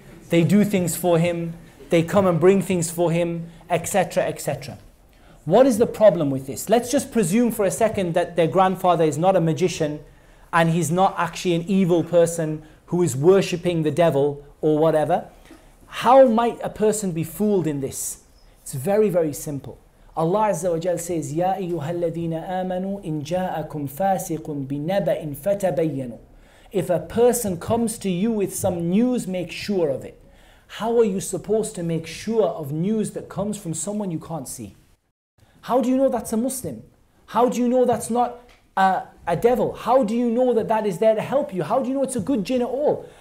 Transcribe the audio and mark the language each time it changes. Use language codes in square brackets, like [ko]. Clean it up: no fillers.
[en] They do things for him, they come and bring things for him, etc., etc. What is the problem with this? Let's just presume for a second that their grandfather is not a magician and he's not actually an evil person who is worshipping the devil or whatever. How might a person be fooled in this? It's very, very simple. Allah Azza wa Jalla says, [ar] يَا أَيُّهَا الَّذِينَ آمَنُوا إِن جَاءَكُمْ فَاسِقٌ بِنَبَئٍ فَتَبَيَّنُوا. [en] If a person comes to you with some news, make sure of it. How are you supposed to make sure of news that comes from someone you can't see? How do you know that's a Muslim? How do you know that's not a devil? How do you know that that is there to help you? How do you know it's a good jinn at all?